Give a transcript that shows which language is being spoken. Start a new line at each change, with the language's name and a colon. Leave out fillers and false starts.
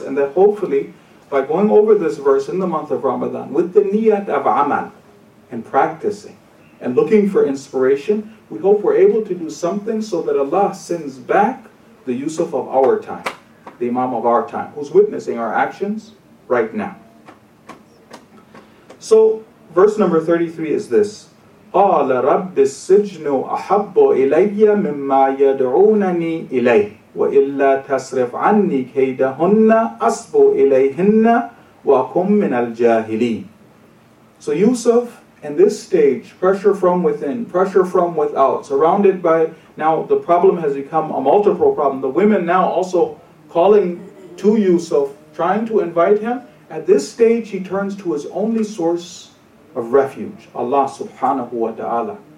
English: And that hopefully, by going over this verse in the month of Ramadan, with the niyat of amal, and practicing, and looking for inspiration, we hope we're able to do something so that Allah sends back the Yusuf of our time. The Imam of our time, who's witnessing our actions right now. So, verse number 33 is this:
Arabic: قَالَ رَبِّ السِّجْنُ أَحَبُّ إِلَيَّ مِمَّا يَدْعُونَنِي إِلَيْهِ وَإِلَّا تَصْرِفْ عَنِّي كَيْدَهُنَّ أَصْبُ إِلَيْهِنَّ وَأَكُمْ مِنَ الْجَاهِلِينَ.
English: So Yusuf, in this stage, pressure from within, pressure from without, surrounded by, now the problem has become a multiple problem. The women now also calling to Yusuf, trying to invite him. At this stage, he turns to his only source of refuge, Allah subhanahu wa ta'ala.